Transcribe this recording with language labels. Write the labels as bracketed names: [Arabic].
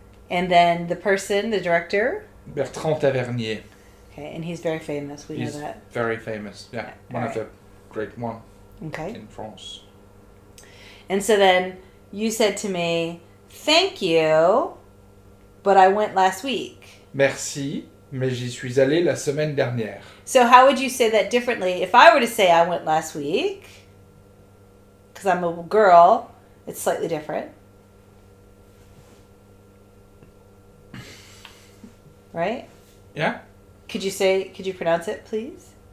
[English] And then the person, the director? Bertrand Tavernier. Okay, and he's very famous, we know that. He's very famous, yeah. One of the great ones in France. And so then you said to me, thank you, but I went last week. [French] Merci, mais j'y suis allé la semaine dernière. [English] So how would you say that differently? If I were to say I went last week, because I'm a girl, it's slightly different. Right? Yeah. Could you pronounce it, please?